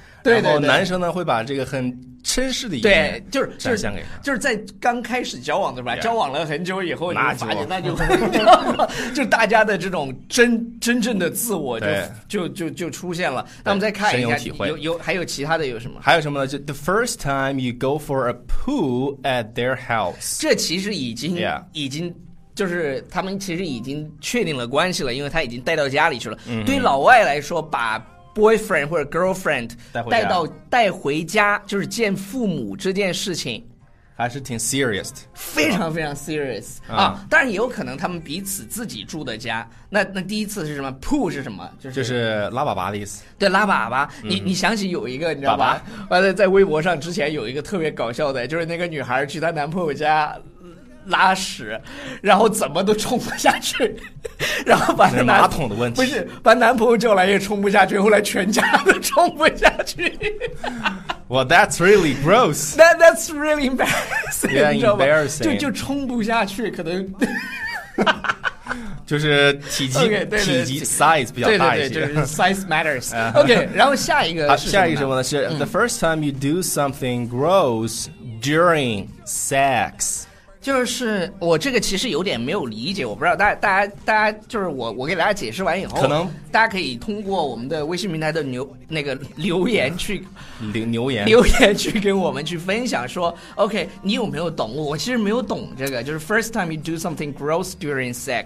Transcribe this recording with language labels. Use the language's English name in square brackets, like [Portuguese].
[Chinese] 对对对，然后男生呢会把这个很绅士的一面，对，就是展现给他，就是在刚开始交往的时候， yeah, 交往了很久以后，那就就大家的这种真正的自我就出现了。那我们再看一下，深有体会，有还有其他的有什么？还有什么呢？就 [English] the first time you go for a poo at their house， [Chinese] 这其实已经、 [English] yeah. [Chinese] 已经。就是他们其实已经确定了关系了，因为他已经带到家里去了。嗯、对于老外来说，把 boyfriend 或者 girlfriend 带回家，就是见父母这件事情，还是挺 serious，非常非常 serious 啊！当然也有可能他们彼此自己住的家。那第一次是什么 ？poo 是什么？就是拉粑粑的意思。对，拉粑粑。你想起有一个，你知道吧？完了，在微博上之前有一个特别搞笑的，就是那个女孩去她男朋友家。拉屎，然后怎么都冲不下去，然后把马桶的问题不是把男朋友叫来也冲不下去，后来全家都冲不下去。 [English] Well, that's really gross. That's really embarrassing. Yeah, embarrassing. [Chinese] 就冲不下去，可能。就是体积 okay, 对对体积 size 比较大一些，对对对，就是 [English] size matters。 [Chinese] OK， 然后下一个是下一个什么呢？是 [English] the first time you do something gross during sex。 [Chinese] 就是我这个其实有点没有理解，我不知道大家就是我给大家解释完以后，可能大家可以通过我们的微信平台的那个留言去留言去跟我们去分享说 OK 你有没有懂，我其实没有懂这个，就是 [English] first time you do something gross during sex。